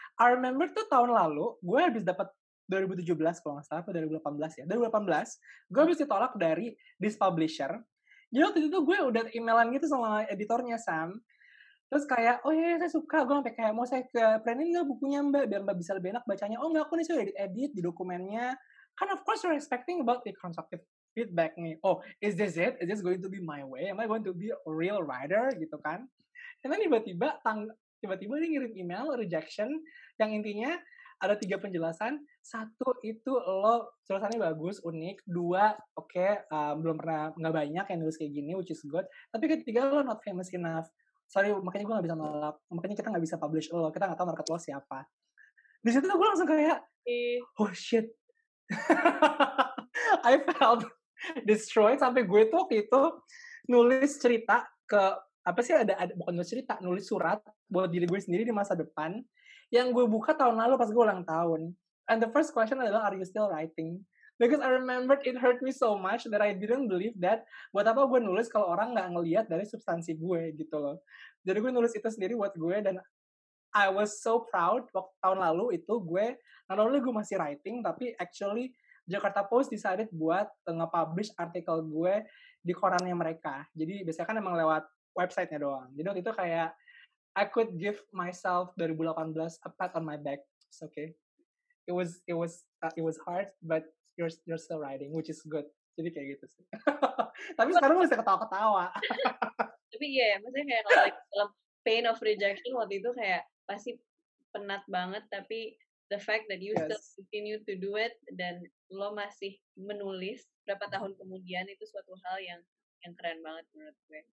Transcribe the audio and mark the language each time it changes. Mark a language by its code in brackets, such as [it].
[en] I remember [id] tuh tahun lalu, gue habis dapat 2017 kalau nggak salah, atau 2018 ya. 2018, gue habis ditolak dari this publisher. Jadi waktu itu tuh gue udah emailan gitu sama editornya, Sam. Terus kayak, oh iya, saya suka. Gue sampai kayak, mau saya ke printin nggak bukunya Mbak, biar Mbak bisa lebih enak bacanya. Oh nggak, aku nih sudah edit-edit di dokumennya. [en] Kind of course, you're expecting about the constructive feedback nih. Oh, is this it? Is this going to be my way? Am I going to be a real writer? Gitu kan. And then [id] tiba-tiba dia ngirim email rejection yang intinya ada 3 penjelasan. 1, itu lo tulisannya bagus, unik. 2, belum pernah, gak banyak yang nulis kayak gini, [en] which is good. [id] Tapi 3, lo [en] not famous enough. [id] Sorry, makanya gue gak bisa nolak. Makanya kita gak bisa publish lo. Kita gak tahu market lo siapa. Di situ gue langsung kayak, oh shit. [en] I felt destroyed. [id] Sampai gue tuh waktu itu nulis cerita ke, apa sih, ada bukan nulis cerita, nulis surat buat diri gue sendiri di masa depan. Yang gue buka tahun lalu pas gue ulang tahun. [en] And the first question adalah, are you still writing? Because I remembered it hurt me so much that I didn't believe that. [id] Buat apa gue nulis kalau orang gak ngelihat dari substansi gue gitu loh. Jadi gue nulis itu sendiri buat gue. Dan [en] I was so proud [id] waktu tahun lalu itu gue, [en] not only [id] gue masih writing, tapi [en] actually Jakarta Post decided [id] buat nge-publish artikel gue di korannya mereka. Jadi biasanya kan emang lewat website-nya doang. Jadi waktu itu kayak, [en] I could give myself 2018 a pat on my back. It's okay. It was hard, but you're still writing, which is good. [id] Jadi kayak gitu sih. Tapi sekarang masih ketawa-ketawa. Tapi iya, maksudnya kayak dalam [en] pain of rejection [id] waktu itu kayak pasti penat banget. [en] Tapi the fact that you yes. still continue to do it [id] dan lo masih menulis berapa tahun kemudian itu suatu hal yang keren banget menurut gue.